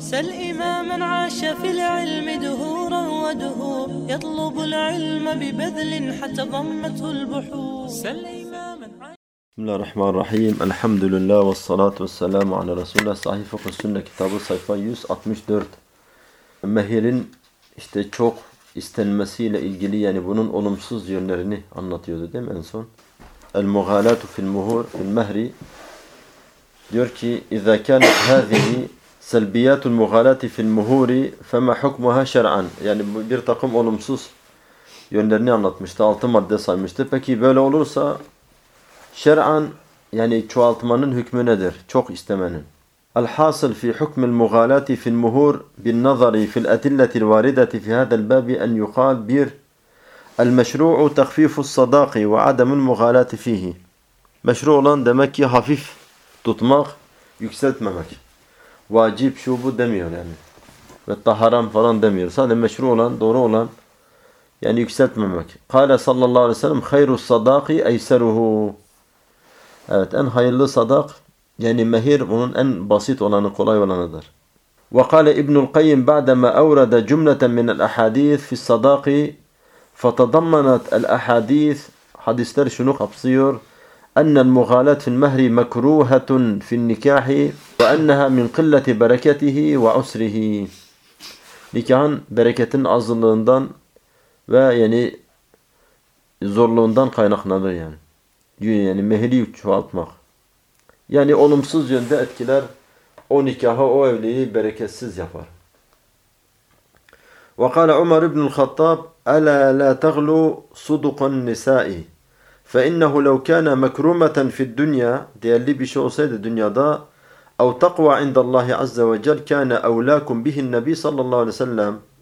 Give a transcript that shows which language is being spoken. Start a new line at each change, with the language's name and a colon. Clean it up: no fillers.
Arabic: سل إماما عاش في العلم دهورا ودهور يطلب العلم ببذل حتى ضمته البحور. سل بسم الله الرحمن الرحيم. الحمد لله والصلاة والسلام على رسول الله. صحيح فقه السنة كتابه صحيفة 164.
Turkish: Mehirin işte çok istenmesiyle ilgili, yani bunun olumsuz yönlerini anlatıyordu değil mi en son?
Arabic: El-Mughalatu fil-Muhur fil-Mehri
Turkish: diyor ki
Arabic: اِذَا كَانَتْ هَذِهِ سَلْبِيَاتُ الْمُغَالَاتِ فِي فَمَا حُكْمُهَا شَرْعًا.
Turkish: Yani bir takım olumsuz yönlerini anlatmıştı. 6 madde saymıştı. Peki böyle olursa şer'an, yani çoğaltmanın hükmü nedir? Çok istemenin.
Arabic: الحاصل في حكم المغالاة في المهور بالنظر في الأدلة الواردة في هذا الباب أن يقال بير المشروع تخفيف الصداق وعدم المغالاة فيه.
Turkish: مشروع olan demek ki hafif tutmak, yükseltmemek. Vacip şu bu demiyor yani. Ve taharam falan demiyor. Sadece meşru olan, doğru olan, yani yükseltmemek.
Arabic: قال صلى الله عليه وسلم خير الصداق أيسره.
Turkish: Evet, en hayırlı sadak, yani mehir, onun en basit olanı, kolay olanıdır.
Arabic: وقال ابن القيم بعدما أورد جملة من الأحاديث في الصداق فتضمنت الأحاديث,
Turkish: hadisler şunu kapsıyor,
Arabic: أن المغالاة في المهر مكروهة في النكاح وأنها من قلة بركته وعسره.
Turkish: Nikahın bereketin azlığından ve yani zorluğundan kaynaklanır yani. Yani mehri çoğaltmak. Yani olumsuz yönde etkiler o nikahı, o evliliği bereketsiz yapar.
Arabic: وَقَالَ عُمَرُ بْنُ الْخَطَّابِ أَلَا لَا تَغْلُوا صُدُقُ النِّسَائِ فَإِنَّهُ لَوْ كَانَ مَكْرُومَةً فِي الدُّنْيَا,
Turkish: değerli bir şey olsaydı dünyada,
Arabic: اَوْ تَقْوَى عِنْدَ اللّٰهِ عَزَّ وَجَلْ كَانَ أَوْلَاكُمْ بِهِ النَّبِي صَلَّى اللّٰهُ عَلَيْهِ سَلَّمُ.